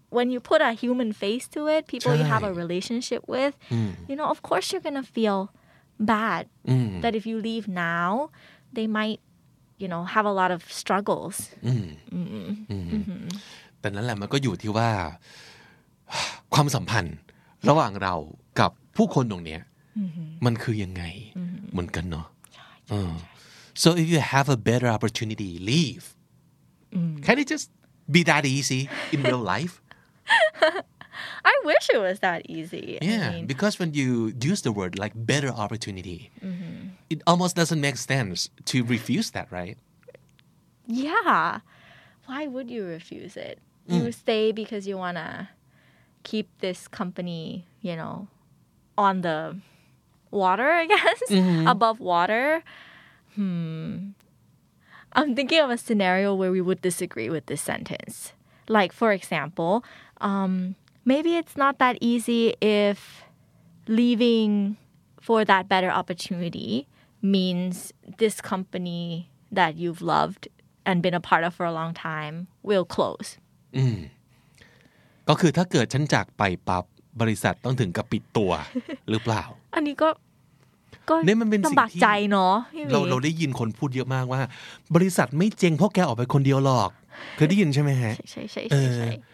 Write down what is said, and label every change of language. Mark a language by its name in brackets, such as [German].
[English] When you put a human face to it, people you have a relationship with, you know, of course you're going to feel bad that if you leave now, they might, you know, have a lot of struggles. [Thai] แต่นั่นแหละมันก็อยู่ที่ว่าความสัมพันธ์ระหว่างเรากับผู้คนตรงนี้ มันคือยังไงเหมือนกันเนาะ ใช่ [English] so if you have a better opportunity leave can it just be that easy in real life I wish it was that easy yeah because when you use the word like better opportunity it almost doesn't make sense to refuse that right yeah why would you refuse it you stay because you wannaKeep this company, you know, on the water, I guess, above water. I'm thinking of a scenario where we would disagree with this sentence. Like, for example, maybe it's not that easy if leaving for that better opportunity means this company that you've loved and been a part of for a long time will close. [Thai] ก็คือถ้าเกิดฉันจากไปปั๊บบริษัทต้องถึงกับปิดตัวหรือเปล่า อันนี้ก็เนี่ย มันเป็นสิ่ง ที่ลำบากใจเน า ะ เราได้ยินคนพูดเยอะมากว่าบริษัทไม่เจ๊งเพราะแกออกไปคนเดียวหรอกเคยได้ยินใช่ไหมฮะ ใช่